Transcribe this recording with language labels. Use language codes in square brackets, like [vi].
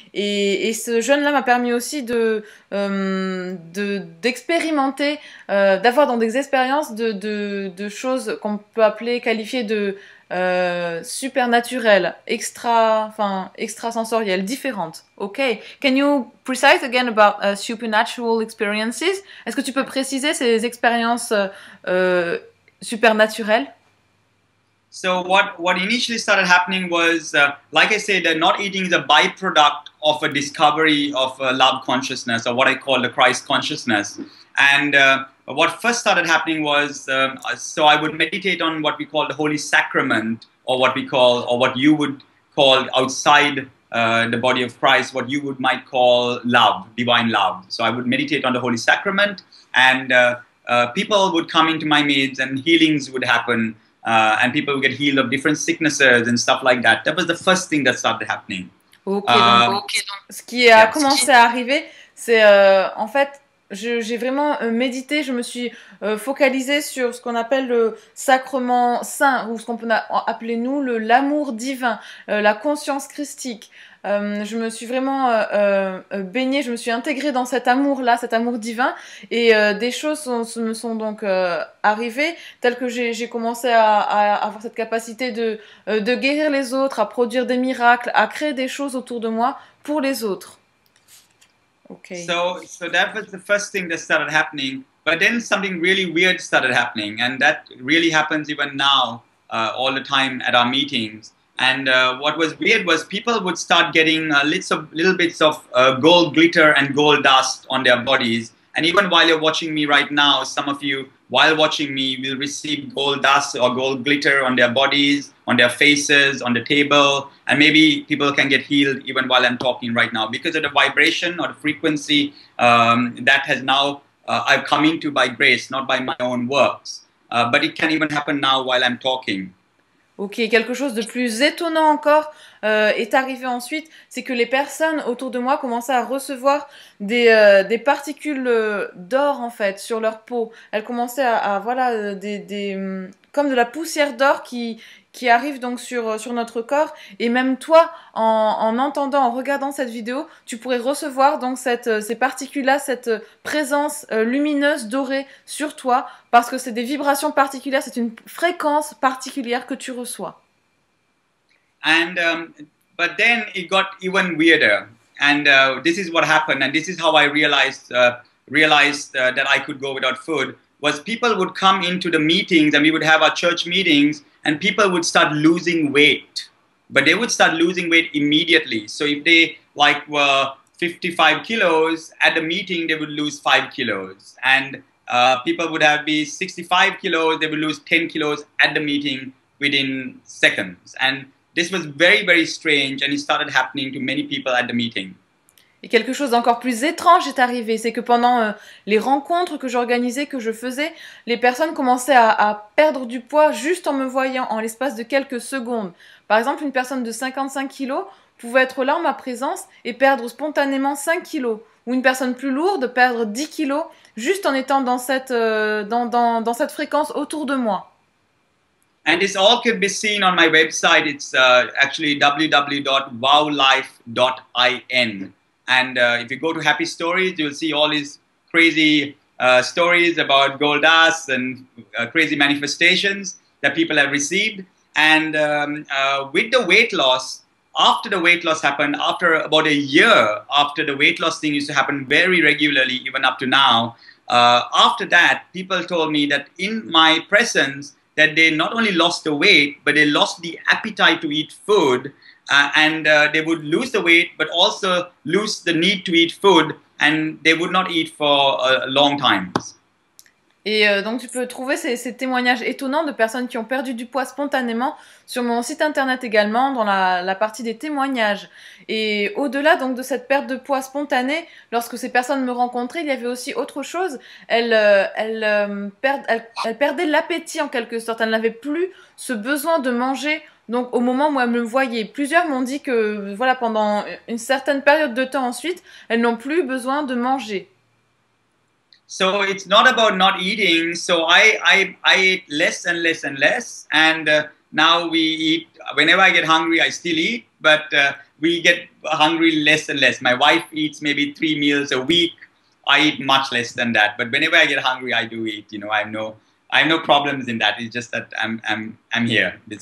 [fr] Et ce jeûne-là m'a permis aussi d'expérimenter, d'avoir dans des expériences de choses qu'on peut appeler, qualifier de supernaturelles, extrasensorielles, différentes. Ok. [en] Can you precise again about supernatural experiences? [fr] Est-ce que tu peux préciser ces expériences supernaturelles? [en] So what initially started happening was, like I said, not eating is a byproduct of a discovery of love consciousness, or what I call the Christ consciousness. And what first started happening was, so I would meditate on what we call the Holy Sacrament, or what we call, or what you would call outside the body of Christ, what you would might call love, divine love. So I would meditate on the Holy Sacrament, and people would come into my midst and healings would happen. And people would get healed of different sicknesses and stuff like that. That was the first thing that started happening. [fr] Ce qui a commencé à arriver, c'est en fait, j'ai vraiment médité, je me suis focalisée sur ce qu'on appelle le sacrement saint, ou ce qu'on peut appeler nous l'amour divin, la conscience christique. Je me suis vraiment baignée, je me suis intégrée dans cet amour-là, cet amour divin, et des choses me sont donc arrivées, telles que j'ai commencé à avoir cette capacité de guérir les autres, à produire des miracles, à créer des choses autour de moi pour les autres. [en] Okay. So that was the first thing that started happening, but then something really weird started happening, and that really happens even now, all the time at our meetings. And what was weird was people would start getting little bits of gold glitter and gold dust on their bodies. And even while you're watching me right now, some of you, while watching me, will receive gold dust or gold glitter on their bodies, on their faces, on the table. And maybe people can get healed even while I'm talking right now because of the vibration or the frequency that has now I've come into by grace, not by my own works. But it can even happen now while I'm talking. [fr] Ok, quelque chose de plus étonnant encore est arrivé ensuite, c'est que les personnes autour de moi commençaient à recevoir des particules d'or en fait sur leur peau. Elles commençaient à voilà, comme de la poussière d'or qui arrive donc sur notre corps. Et même toi, en entendant, en regardant cette vidéo, tu pourrais recevoir donc ces particules-là, cette présence lumineuse dorée sur toi, parce que c'est des vibrations particulières, c'est une fréquence particulière que tu reçois. [en] And but then it got even weirder, and this is what happened, and this is how I realized that I could go without food. Was people would come into the meetings, and we would have our church meetings, and people would start losing weight, but they would start losing weight immediately. So if they like were 55 kilos at the meeting, they would lose 5 kilos, and people would have be 65 kilos, they would lose 10 kilos at the meeting within seconds. And this was very, very strange, and it started happening to many people at the meeting. [fr] Et quelque chose d'encore plus étrange est arrivé, c'est que pendant les rencontres que j'organisais, que je faisais, les personnes commençaient à perdre du poids juste en me voyant, en l'espace de quelques secondes. Par exemple, une personne de 55 kilos pouvait être là en ma présence et perdre spontanément 5 kilos, ou une personne plus lourde perdre 10 kilos juste en étant dans cette fréquence autour de moi. [en] And this all can be seen on my website. It's actually www.wowlife.in. And if you go to Happy Stories, you'll see all these crazy stories about gold dust and crazy manifestations that people have received. And with the weight loss, after the weight loss happened, after about a year after the weight loss thing used to happen very regularly, even up to now, after that, people told me that in my presence, that they not only lost the weight, but they lost the appetite to eat food. And they would lose the weight, but also lose the need to eat food, and they would not eat for a long time. [fr] Et donc tu peux trouver ces témoignages étonnants de personnes qui ont perdu du poids spontanément sur mon site internet également, dans la partie des témoignages. Et au-delà donc de cette perte de poids spontanée, lorsque ces personnes me rencontraient, il y avait aussi autre chose. Elles perdaient l'appétit en quelque sorte, elles n'avaient plus ce besoin de manger. Donc au moment où elles me voyaient, plusieurs m'ont dit que voilà, pendant une certaine période de temps ensuite, elles n'ont plus besoin de manger. [en] So it's not about not eating. So I ate less and less and less. And now we eat, whenever I get hungry, I still eat. But we get hungry less and less. My wife eats maybe 3 meals a week. I eat much less than that. But whenever I get hungry, I do eat. You know, I have no problems in that. It's just that I'm here.